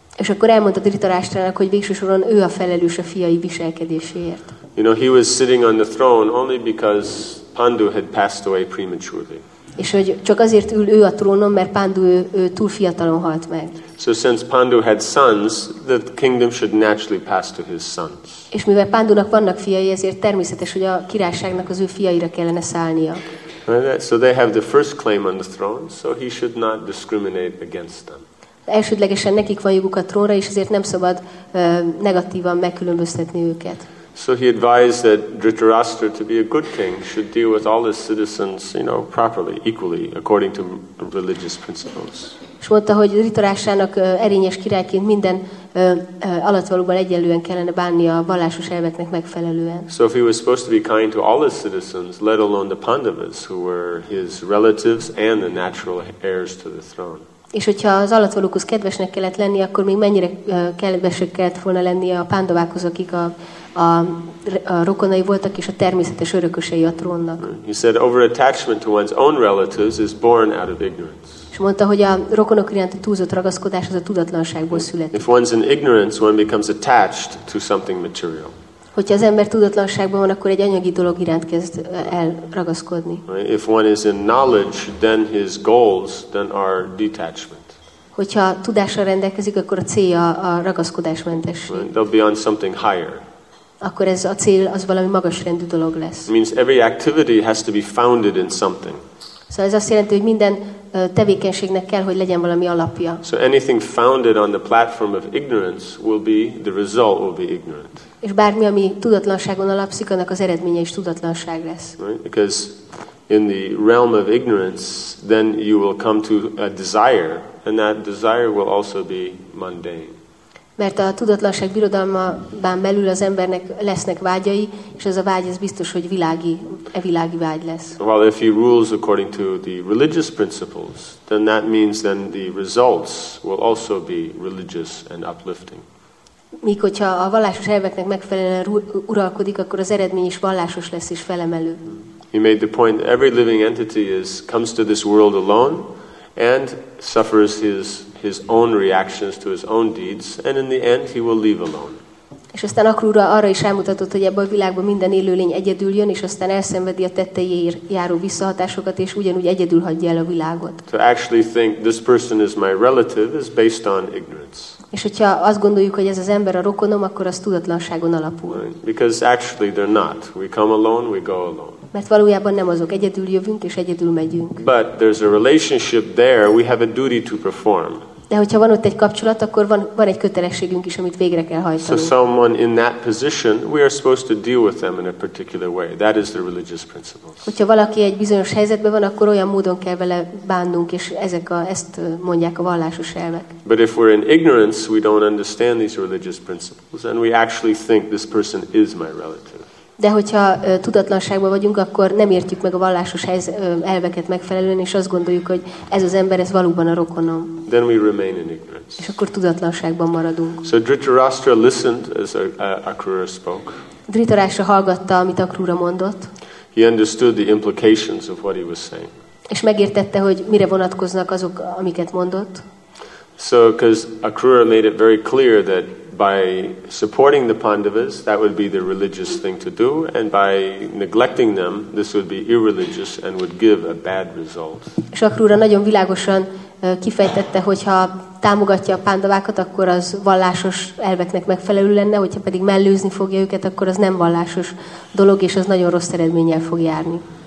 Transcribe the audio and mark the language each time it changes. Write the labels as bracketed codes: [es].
[hu] És akkor elmondta Dhritarashtrának, hogy végső soron ő a felelős a fiai viselkedéséért. [en] You know, he was sitting on the throne only because Pandu had passed away prematurely. [hu] És hogy csak azért ül ő a trónon, mert Pandu ő túl fiatalon halt meg. [en] So since Pandu had sons, the kingdom should naturally pass to his sons. [hu] És mivel Pandunak vannak fiai, ezért természetes, hogy a királyságnak az ő fiaira kellene szállnia. [en] So they have the first claim on the throne, so he should not discriminate against them. [hu] Elsődlegesen nekik van joguk a trónra, és ezért nem szabad negatívan megkülönböztetni őket. [en] So he advised that Dhritarashtra to be a good king should deal with all his citizens, you know, properly, equally, according to religious principles. [hu] És mondta, hogy Dhritarashtrának erényes királyként minden alattvalóban egyenlően kellene bánni a vallásos elveknek megfelelően. [en] So if he was supposed to be kind to all his citizens, let alone the Pandavas, who were his relatives and the natural heirs to the throne. [hu] És hogyha az alattvalókhoz kedvesnek kellett lenni, akkor még mennyire kedvesek kellett volna lenni a Pandavákhoz, akik a rokonai voltak és a természetes örökösei a trónnak. [en] He said overattachment to one's own relatives is born out of ignorance. [hu] És mondta, hogy a rokonok iránti túlzott ragaszkodás az a tudatlanságból születik. [en] If one's in ignorance, one becomes attached to something material. [hu] Hogyha az ember tudatlanságban van, akkor egy anyagi dolog iránt kezd elragaszkodni. [en] If one is in knowledge, then his goals then are detachment. [hu] Hogyha tudással rendelkezik, akkor a célja a ragaszkodásmentesség. [en] They'll be on something higher. [hu] Akkor ez a cél, az valami magasrendű dolog lesz. [en] Means every activity has to be founded in something. [hu] Szóval ez azt jelenti, hogy minden tevékenységnek kell, hogy legyen valami alapja. [en] So anything founded on the platform of ignorance will be, the result will be ignorant. [hu] És bármi, ami tudatlanságon alapszik, annak az eredménye is tudatlanság lesz. [en] Right? Because in the realm of ignorance, then you will come to a desire, and that desire will also be mundane. [hu] Mert a tudatlanság birodalmában belül az embernek lesznek vágyai, és ez a vágy ez biztos, hogy világi, e világi vágy lesz. [en] Well, if he rules according to the religious principles, then that means then the results will also be religious and uplifting. [hu] Míg hogyha a vallásos elveknek megfelelően uralkodik, akkor az eredmény is vallásos lesz és felemelő. [en] He made the point that every living entity is comes to this world alone and suffers his own reactions to his own deeds, and in the end he will leave alone. [hu] És aztán Akrúra arra is elmutatott, hogy ebben a világban minden élőlény egyedül jön, és aztán elszenvedi a tetteiért járó visszahatásokat, és ugyanúgy egyedül hagyja el a világot. [en] To actually think this person is my relative is based on ignorance. [hu] És hogyha azt gondoljuk, hogy ez az ember a rokonom, akkor az tudatlanságon alapul. [en] Because actually they're not. We come alone, we go alone. [hu] Mert valójában nem azok, egyedül jövünk és egyedül megyünk. [en] But there's a relationship there, we have a duty to perform. [hu] De hogyha van ott egy kapcsolat, akkor van egy kötelességünk is, amit végre kell hajtani. [en] So someone in that position, we are supposed to deal with them in a particular way. That is the religious principles. [hu] Hogyha valaki egy bizonyos helyzetben van, akkor olyan módon kell vele bánnunk, és ezt mondják a vallásos elvek. [en] But if we're in ignorance, we don't understand these religious principles, and we actually think this person is my relative. [hu] De hogyha tudatlanságban vagyunk, akkor nem értjük meg a vallásos elveket megfelelően, és azt gondoljuk, hogy ez az ember, ez valóban a rokonom. [en] Then we remain in ignorance. [hu] És akkor tudatlanságban maradunk. [en] So Dhritarashtra listened as Akrura spoke. [hu] Dhritarashtra hallgatta, amit Akrura mondott. [en] He understood the implications of what he was saying. [hu] És megértette, hogy mire vonatkoznak azok, amiket mondott. [en] So because Akrura made it very clear that by supporting the Pandavas, that would be the religious thing to do, and by neglecting them, this would be irreligious and would give a bad result. [hu] És Akrura nagyon világosan kifejtette, hogyha támogatja a Pandavákat, akkor az vallásos elveknek megfelelő lenne, hogyha pedig mellőzni fogja őket, akkor az nem vallásos dolog, és az nagyon rossz eredménnyel fog járni.